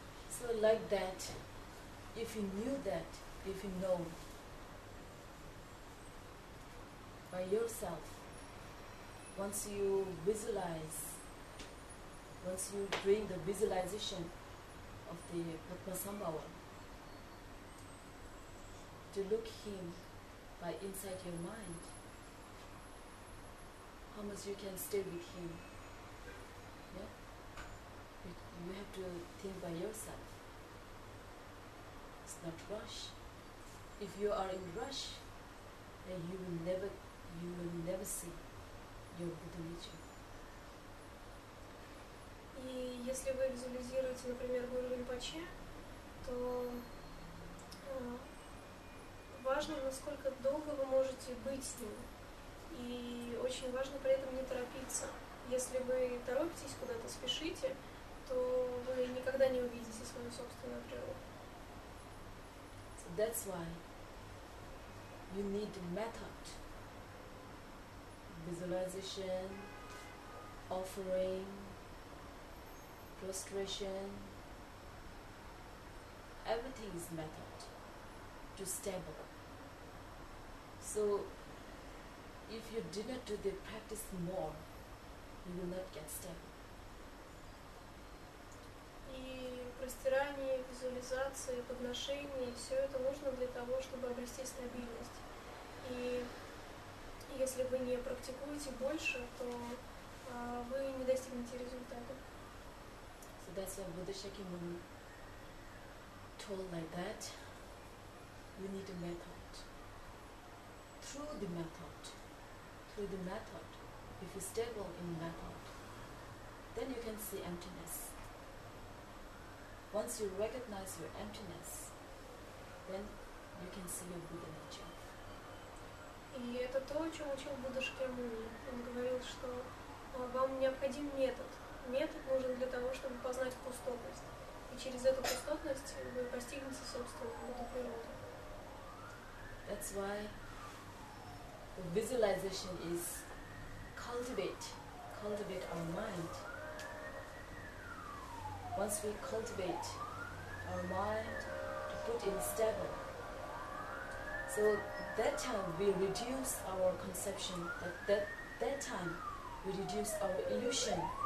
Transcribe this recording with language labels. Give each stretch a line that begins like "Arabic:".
English: So like that, if you knew that, if you know by yourself, once you visualize, once you bring the visualization of the Padmasambhava, to look him by inside your mind, how much you can stay with him. Yeah? You have to think by yourself. It's not rush. If you are in rush, then you will never see your Buddha nature.
Russian: И если вы визуализируете, например, гуру Ринпоче, то важно, насколько долго вы можете быть с ним. И очень важно при этом не торопиться. Если вы торопитесь, куда-то спешите, то вы никогда не увидите свою собственную природу.
English: So that's why you need method. Visualization, offering, prostration, everything is method to stable. So if you did not do the practice more, you will not get stable.
Russian: И простирание, визуализация, подношение, все это нужно для того, чтобы обрести стабильность. И если вы не практикуете больше, то вы не достигнете результата.
English: So that's why Buddha Shakyamuni told like that, we need a method. Through the method, if you stable in method, then you can see emptiness. Once you recognize your emptiness, then you can see your Buddha nature.
Russian: И это то, о чем учил Будда Шакьямуни. Он говорил, что вам необходим метод. Метод нужен для того, чтобы познать пустотность. И через эту пустотность вы постигнете собственную природу.
English: That's why the visualization is cultivate our mind. Once we cultivate our mind to put in stable, so that time we reduce our conception, that time we reduce our illusion.